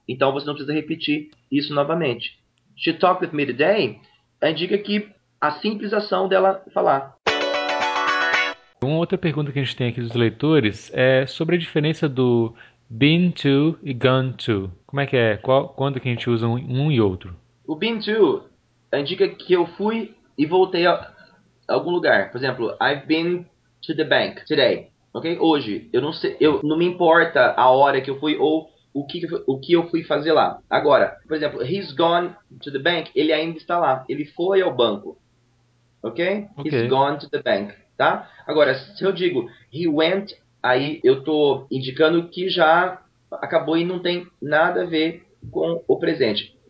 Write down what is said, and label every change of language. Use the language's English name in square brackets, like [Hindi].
[Portuguese] Então, você não precisa repetir isso novamente. [English] She talked with me today [Portuguese] indica que a simples ação dela falar. Uma outra pergunta que a gente tem aqui dos leitores é sobre a diferença do been to e gone to. Como é que é? Quando que a gente usa um e outro? O been to indica que eu fui e voltei a algum lugar. Por exemplo, [English] I've been to the bank today. [Portuguese] Ok? Hoje. Eu não sei. Eu não me importa a hora que eu fui ou o que eu fui fazer lá. Agora, por exemplo, [English] he's gone to the bank. [Portuguese] Ele ainda está lá. Ele foi ao banco. Okay? [English] He's gone to the bank, [Portuguese] tá? Agora, se eu digo he went, aí eu tô indicando que já acabou e não tem nada a ver com o presente.